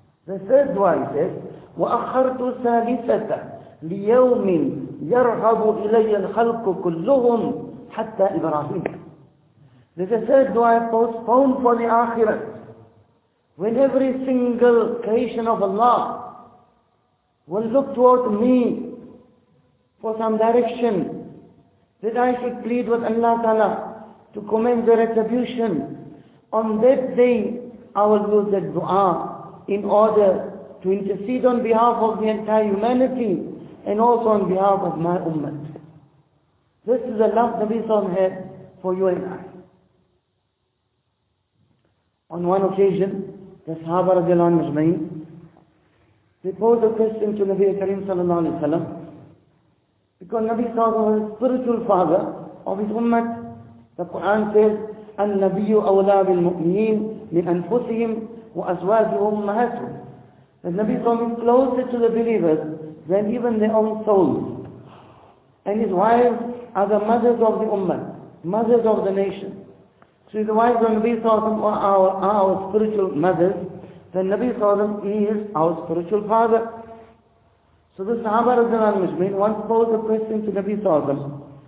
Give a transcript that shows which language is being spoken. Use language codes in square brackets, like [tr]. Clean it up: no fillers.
[en] The third dua, he says, [ar] وَأَخَّرْتُ ثَالِثَةَ لِيَوْمٍ يَرْغَبُ إِلَيَّ الْخَلْقُ كُلُّهُمْ حَتَّى إِبْرَاهِيمَ. [en] There's a third dua I postponed for the Akhirat. When every single creation of Allah will look toward me for some direction, that I should plead with Allah Ta'ala to commence the retribution. On that day, I will use that dua in order to intercede on behalf of the entire humanity and also on behalf of my ummah. This is the love Nabi Sallam had for you and I. On one occasion, the Sahaba radiallahu anhu ajma'in, they posed a question to Nabi Karim sallallahu alayhi wa sallam, because Nabi Sallam was a spiritual father of his ummah. The Quran says, [ar] النَّبِيُّ أَوْلَى بِالْمُؤْمِنِينَ لِأَنفُسِهِمْ وَأَزْوَاجِهِمْ أُمَّهَاتُهُمْ. [en] The Nabi Sallam is closer to the believers than even their own souls. And his wives are the mothers of the ummah, mothers of the nation. So the wives of Nabi Sallam are our spiritual mothers. The Nabi Sallam is our spiritual father. So the Sahaba Radhiyallahu Anhum once posed a question to Nabi Sallam.